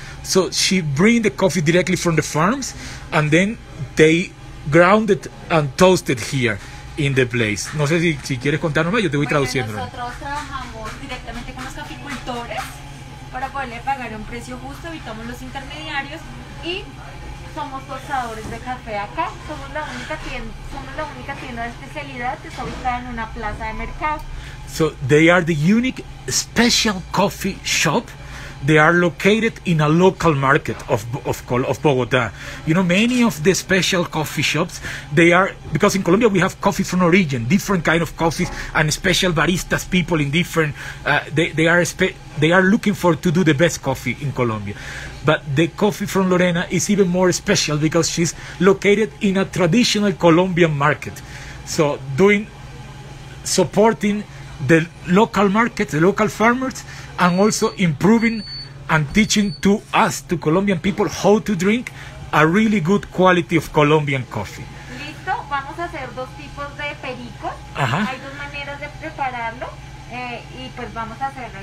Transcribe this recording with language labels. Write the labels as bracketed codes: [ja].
[en] So she bring the coffee directly from the farms, and then they ground it and toast it here in the place. [es] No sé si quieres contarnos más, yo te voy traduciendo. Nosotros trabajamos directamente con los caficultores para poderle pagar un precio justo, evitamos los intermediarios y somos tostadores de café acá, somos la única tienda de especialidad que está ubicada en una plaza de mercado. [en] So they are the unique special coffee shop. They are located in a local market of Bogotá. You know, many of the special coffee shops, they are, because in Colombia we have coffee from origin, different kind of coffees, and special baristas, people in different, they are looking for to do the best coffee in Colombia. But the coffee from Lorena is even more special because she's located in a traditional Colombian market. So supporting the local market, the local farmers, and also improving and teaching to us, to Colombian people, how to drink a really good quality of Colombian coffee. [es] Listo, vamos a hacer dos tipos de perico. Hay dos maneras de prepararlo, y pues vamos a hacerlo.